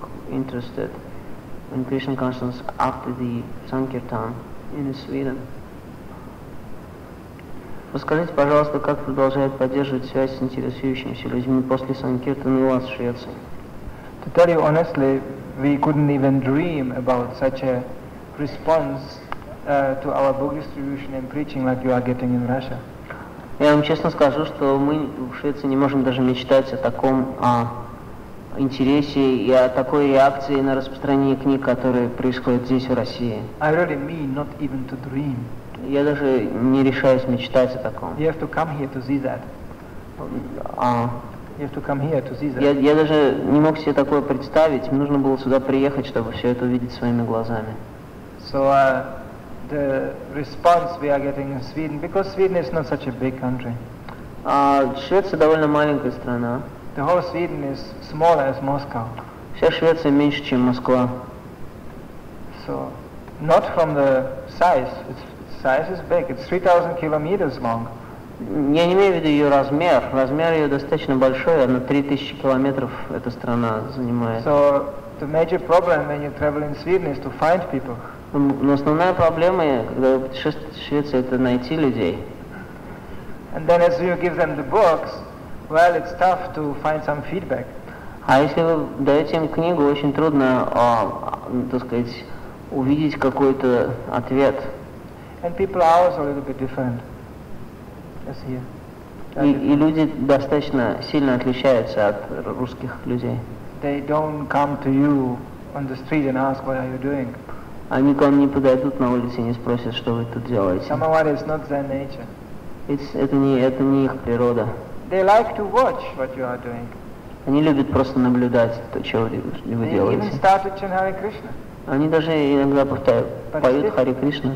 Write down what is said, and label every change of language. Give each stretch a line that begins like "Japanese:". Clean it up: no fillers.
English: interested in Krishna consciousness after the Sankirtan in Sweden.
Russian: Расскажите, пожалуйста, как продолжает поддерживать связь с интересующимися людьми после Санкиртана у вас в Швеции?
English: To tell you honestly, we couldn't even dream about such a response to our book distribution and preaching like you are getting in Russia.
Russian: Я вам честно скажу, что мы в Швеции не можем даже мечтать о таком интересе и о такой реакции на распространение книг, которые происходят здесь, в России.
English: I really mean not even to dream.
Russian: Я даже не решаюсь мечтать о таком.
English: You have to come here to see that. You have to come here to see that.
Russian: Я даже не мог себе такое представить. Мне нужно было сюда приехать, чтобы все это увидеть своими глазами.
English: So the response we are getting in Sweden, because Sweden is not such a big country.
Russian: Швеция довольно маленькая страна.
English: The whole Sweden is smaller as Moscow.
Russian: Вся Швеция меньше, чем Москва.
English: So not from the size. Size is big. It's 3,000 kilometers long.
Russian: Я не имею в виду ее размер. Размер ее достаточно большой, она 3000 километров эта страна занимает.
English: So the major problem when you travel in Sweden is to find people.
Russian: Но основная проблема, когда вы путешествуете в Швецию, это найти людей.
English: And then as you give them the books, well, it's tough to find some feedback.
Russian: А если вы даете им книгу, очень трудно, так сказать, увидеть какой-то ответ.
English: And people are always a little bit different. As here.
Russian: И люди достаточно сильно отличаются от русских людей.
English: They don't come to you on the street and ask what are you doing.
Russian: Они к вам не подойдут на улице и не спросят, что вы тут делаете.
English: Some of what is not their nature.
Russian: Это не их природа.
English: They like to watch what you are doing.
Russian: Они любят просто наблюдать то, что вы делаете.
English: They even start to chant Hare Krishna.
Russian: Они даже иногда повторяют, поют Харе Кришна.